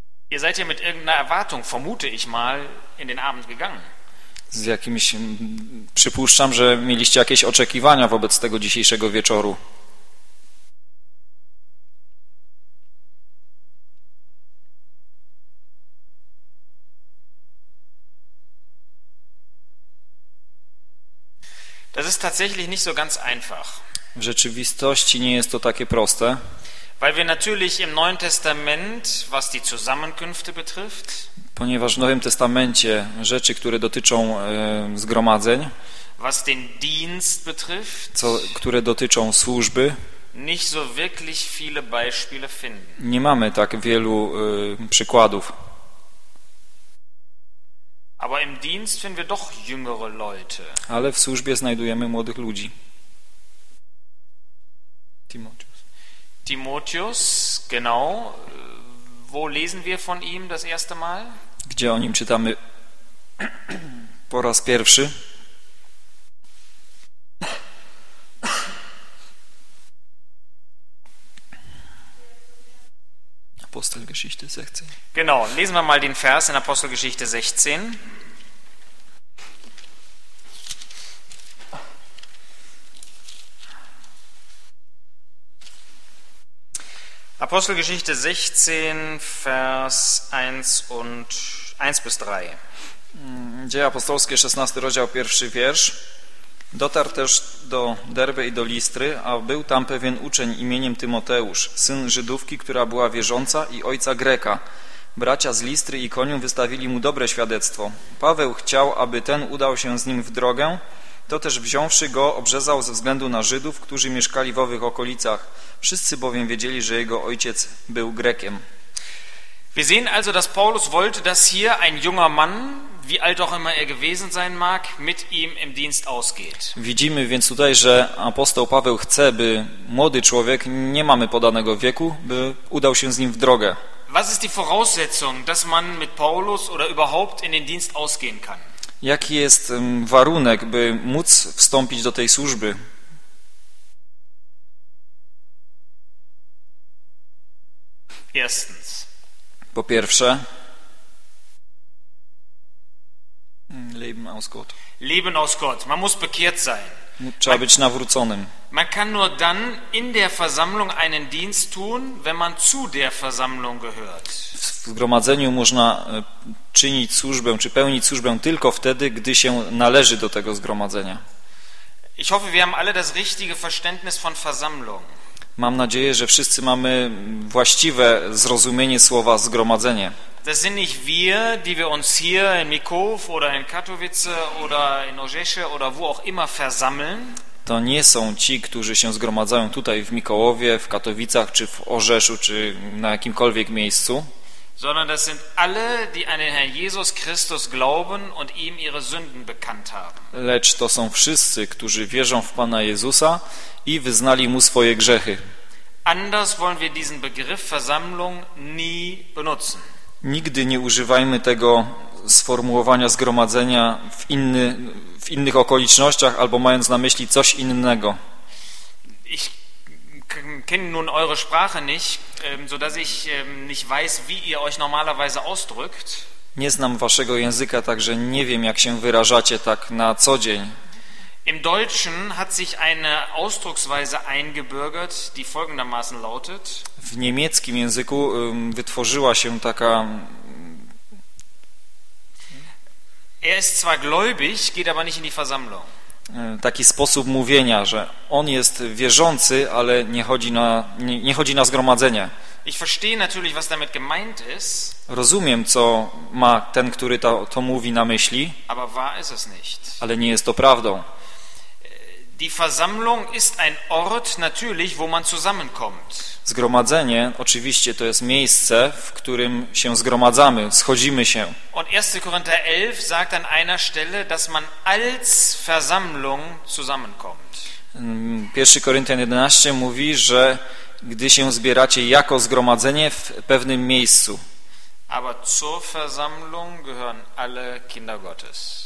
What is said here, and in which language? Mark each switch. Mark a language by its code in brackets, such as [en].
[de] Ihr seid ja mit irgendeiner Erwartung, vermute ich mal, in den Abend gegangen. [pl] Z jakimś, przypuszczam, że mieliście jakieś oczekiwania wobec tego dzisiejszego wieczoru. [de] Das ist tatsächlich nicht so ganz einfach. [pl] W rzeczywistości nie jest to takie proste. [de] Weil wir natürlich im Neuen Testament, was die Zusammenkünfte betrifft, [pl] ponieważ w Nowym Testamencie rzeczy, które dotyczą zgromadzeń, [de] was den Dienst betrifft, [pl] które dotyczą służby, [de] nicht so wirklich viele Beispiele finden. [pl] Nie mamy tak wielu przykładów. [de] Aber im Dienst finden wir doch jüngere Leute. [pl] Ale w służbie znajdujemy młodych ludzi. [de] Timotheus, genau. Wo lesen wir von ihm das erste Mal? [pl] Gdzie o nim czytamy po raz pierwszy? [de] Apostelgeschichte 16. Genau, lesen wir mal den Vers in Apostelgeschichte 16. Apostelgeschichte 16, Vers 1 und 1 bis 3. [pl] Dzieje apostolskie, 16 rozdział, pierwszy wiersz. Dotarł też do Derby i do Listry, a był tam pewien uczeń imieniem Tymoteusz, syn Żydówki, która była wierząca i ojca Greka. Bracia z Listry i Koniu wystawili mu dobre świadectwo. Paweł chciał, aby ten udał się z nim w drogę, to też wziąwszy go, obrzezał ze względu na Żydów, którzy mieszkali w owych okolicach. Wszyscy bowiem wiedzieli, że jego ojciec był Grekiem. [de] Wir sehen also, dass Paulus wollte, dass hier ein junger Mann, wie alt auch immer er gewesen sein mag, mit ihm im Dienst ausgeht. [pl] Widzimy więc tutaj, że apostoł Paweł chce, by młody człowiek, nie mamy podanego wieku, by udał się z nim w drogę. [de] Was ist die Voraussetzung, dass man mit Paulus oder überhaupt in den Dienst ausgehen kann? [pl] Jaki jest warunek, by móc wstąpić do tej służby? [de] Erstens. [pl] Po pierwsze. [de] Leben aus Gott. Leben aus Gott. Man muss bekehrt sein. [pl] Trzeba być nawróconym. [de] Man kann nur dann in der Versammlung einen Dienst tun, wenn man zu der Versammlung gehört. [pl] W zgromadzeniu można czynić służbę, czy pełnić służbę tylko wtedy, gdy się należy do tego zgromadzenia. [de] Ich hoffe, wir haben alle das richtige Verständnis von Versammlung. [pl] Mam nadzieję, że wszyscy mamy właściwe zrozumienie słowa zgromadzenie. [de] Das sind nicht wir, die wir uns hier in Mikow oder in Katowice oder in Ożesze oder wo auch immer versammeln. [pl] To nie są ci, którzy się zgromadzają tutaj w Mikołowie, w Katowicach, czy w Orzeszu, czy na jakimkolwiek miejscu. [de] Sondern das sind alle, die an den Herrn Jesus Christus glauben und ihm ihre Sünden bekannt haben. [pl] Lecz to są wszyscy, którzy wierzą w Pana Jezusa i wyznali mu swoje grzechy. [de] Anders wollen wir diesen Begriff Versammlung nie benutzen. [pl] Nigdy nie używajmy tego sformułowania zgromadzenia w innych okolicznościach albo mając na myśli coś innego. [de] Ich kenne nun eure Sprache nicht, so dass ich nicht weiß, wie ihr euch normalerweise ausdrückt. [pl] Nie znam waszego języka, także nie wiem, jak się wyrażacie tak na co dzień. [de] Im Deutschen hat sich eine Ausdrucksweise eingebürgert, die folgendermaßen lautet. [pl] W niemieckim języku wytworzyła się taka. [de] Er ist zwar gläubig, geht aber nicht in die Versammlung. [pl] Taki sposób mówienia, że on jest wierzący, ale nie chodzi na nie chodzi na zgromadzenie. [de] Ich verstehe natürlich, was damit gemeint ist. [pl] Rozumiem, co ma ten, który to mówi na myśli. [de] Aber wahr ist es nicht. [pl] Ale nie jest to prawdą. [de] Die Versammlung ist ein Ort natürlich, wo man zusammenkommt. [pl] Zgromadzenie, oczywiście, to jest miejsce, w którym się zgromadzamy, schodzimy się. [de] Und 1. Korinther 11 sagt an einer Stelle, dass man als Versammlung zusammenkommt. 1. [pl] Korinther 11 mówi, że gdy się zbieracie jako zgromadzenie w pewnym miejscu. [de] Aber zur Versammlung gehören alle Kinder Gottes.